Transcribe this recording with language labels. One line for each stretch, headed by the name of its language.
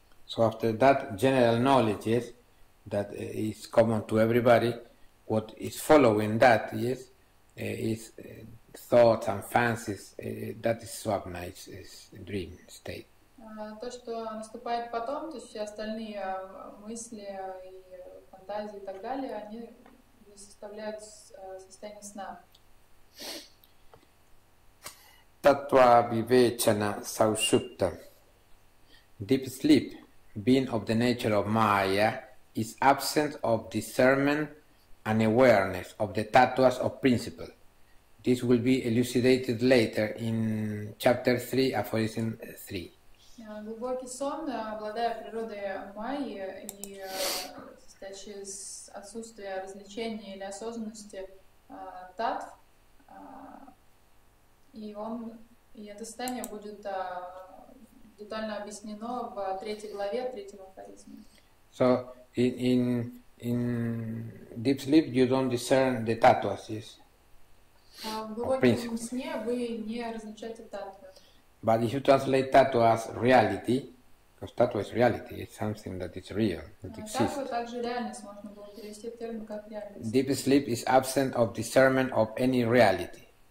English: So after that general knowledge, yes, that is common to everybody, what is following that, yes, is thoughts and fancies, that is swapna, it's dream state.
Russian: То, что наступает потом, то есть все остальные мысли и фантазии и так далее, они составляют состояние сна.
Sanskrit: Tattva vivechana saushupta.
English: Deep sleep, being of the nature of Maya, is absent of discernment and awareness of the tattvas of principle. This will be elucidated later in chapter 3, aphorism 3.
Russian: Глубокий сон, обладая природой Майи и состоящий из отсутствия развлечения или осознанности татв, и это состояние будет детально объяснено в третьей главе третьего афоризма.
English: So in deep sleep you don't discern the tattvas, yes?
Russian: В глубоком сне вы не различаете татвы.
English: But if you translate tattoo as reality, because tattoo is reality, it's something that is real, that exists. Deep sleep is absent of discernment of any reality.